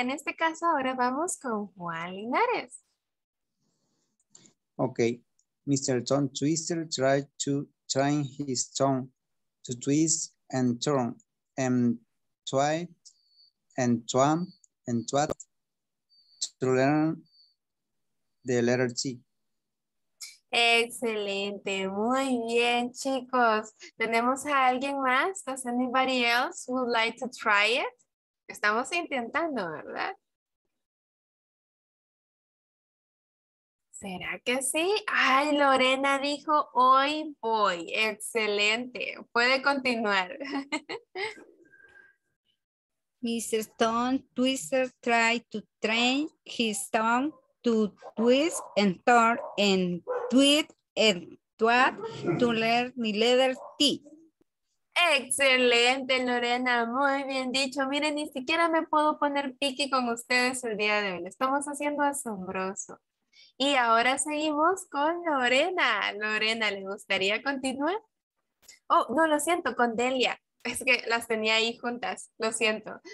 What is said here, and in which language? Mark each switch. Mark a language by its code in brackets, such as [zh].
[es] En este caso, ahora vamos con Juan Linares. Ok. Mr. [en] Tom Twister tried to train his tongue to twist and turn and try and twam and twat to learn the letter T. [es] Excelente, muy bien, chicos. ¿Tenemos a alguien más? [en] ¿Does anybody else would like to try it? [es] Estamos intentando, ¿verdad? ¿Será que sí? Ay, Lorena dijo, hoy voy. Excelente. Puede continuar. [en] Mr. Stone Twister tried to train his tongue to twist and turn and tweet and twat to learn the letter T. [es] Excelente, Lorena, muy bien dicho. Miren, ni siquiera me puedo poner piqui con ustedes el día de hoy. Lo estamos haciendo asombroso. Y ahora seguimos con Lorena. Lorena, ¿le gustaría continuar? Oh, no, lo siento, con Delia. Es que las tenía ahí juntas, lo siento.